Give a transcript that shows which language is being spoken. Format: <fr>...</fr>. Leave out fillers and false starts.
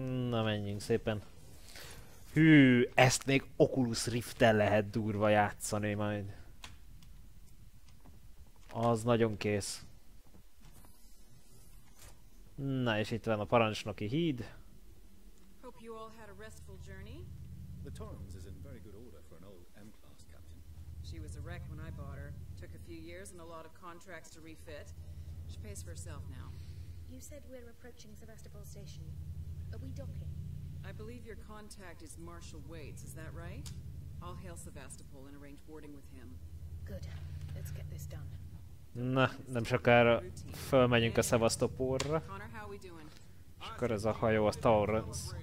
<hu>Na, menjünk szépen. Hű, ezt még Oculus Rift-tel lehet durva játszani majd. Az nagyon kész. Na, és itt van a parancsnoki híd.</hu> <en>Hope you all had a restful journey. The Torrance is in very good order for an old M-class captain. She was a wreck when I bought her. Took a few years and a lot of contracts to refit. She pays for herself now. You said we're approaching Sevastopol Station. Are we docking? I believe your contact is Marshal Waits, is that right? I'll hail Sevastopol and arrange boarding with him. Good. Let's get this done.</en> <hu>Na, nem sokára fölmegyünk a Sevastopolra. És akkor ez a hajó a Taurans.</hu>